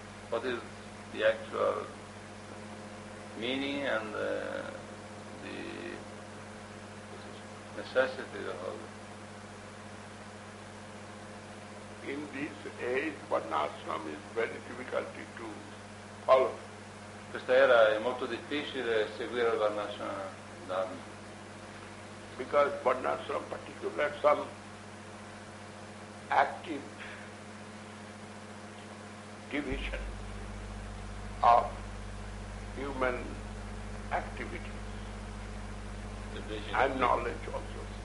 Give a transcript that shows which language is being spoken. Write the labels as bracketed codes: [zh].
[en] What is the actual meaning and the necessity of it? In this age, Varnashram is very difficult to follow. [it] Questa era è molto difficile seguire il Varnashram Dharma. [en] because Varnashram particular some active division of human activities and knowledge also.